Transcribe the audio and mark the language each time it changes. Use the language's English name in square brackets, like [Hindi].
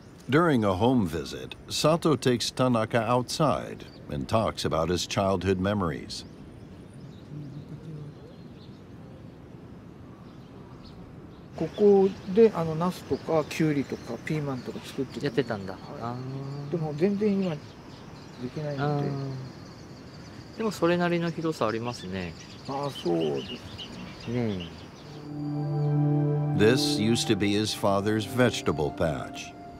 [English] During a home visit, Sato takes Tanaka outside and talks about his childhood memories. [Japanese] ここでナスとかキュウリとかピーマンとか作ってやってたんだ、はい、でも全然今できないので、でもそれなりの広さありますね。あ、そうですね。 [English] This used to be his father's vegetable patch.